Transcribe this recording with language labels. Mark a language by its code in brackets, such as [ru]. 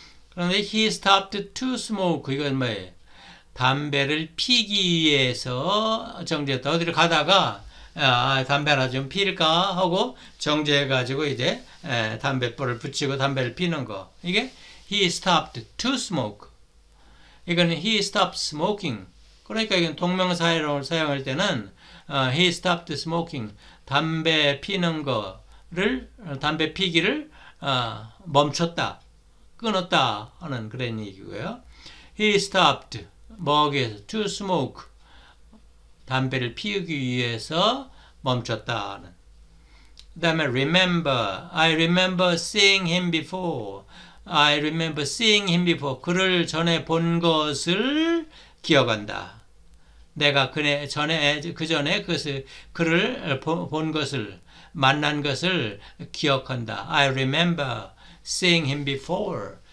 [ko] 그런데 [en] he stopped to smoke, [ko] 이건 뭐예요? 담배를 피기 위해서 정지했다. 어디를 가다가, 담배나 좀 피울까 하고 정지해가지고 이제 담뱃불을 붙이고 담배를 피는 거. 이게 [en] he stopped to smoke. [ko] 이거는 [en] he stopped smoking. [ko] 그러니까 이건 동명사로 사용할 때는 [en] he stopped smoking. [ko] 담배 피는 거를, 담배 피기를 멈췄다, 끊었다 하는 그런 얘기고요. [en] He stopped [ko] 뭐기에서 [en] to smoke. [ko] 담배를 피우기 위해서 멈췄다 하는. 그다음에 remember. [en] I remember seeing him before. I remember seeing him before. [ko] 그를 전에 본 것을 기억한다. 내가 그 전에 그를 본 것을, 만난 것을 기억한다. [en] I remember seeing him before.